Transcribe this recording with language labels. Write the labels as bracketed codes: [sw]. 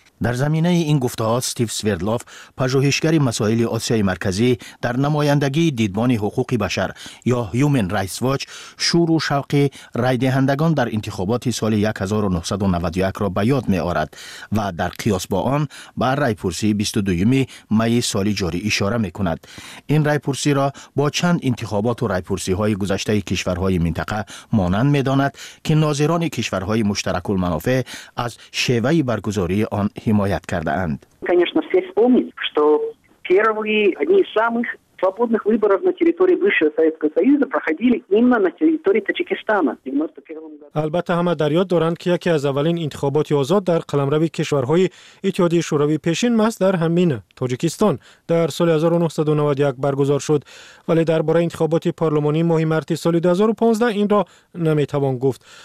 [fa] در زمینه این گفته‌ها استیو سویردلوف، پژوهشگر مسائل آسیای مرکزی در نمایندگی دیدبان حقوق بشر یا Human Rights Watch، شور و شوق رای دهندگان در انتخابات سال 1991 را به یاد می‌آورد و در قیاس با آن به رایپرسی 22 می سال جاری اشاره می‌کند. این رایپرسی را با چند انتخابات و رایپرسی‌های گذشته کشورهای منطقه مانند می‌داند که ناظران کشورهای مشترک المنافع از شیوه برگزاری آن حمایت کرده اند. [ru] Конечно, все вспомнить, что первые одни из самых свободных выборов на территории бывшего Советского Союза проходили именно на территории Таджикистана. [fa] البته همه در یاد دارند که یکی از اولین انتخابات آزاد در قلمرو کشورهای اتحادیه شوروی پیشین ماست در همین تاجیکستان در سال 1991 برگزار شد، ولی درباره انتخابات پارلمانی ماه مارس سال 2015 این را نمیتوان گفت.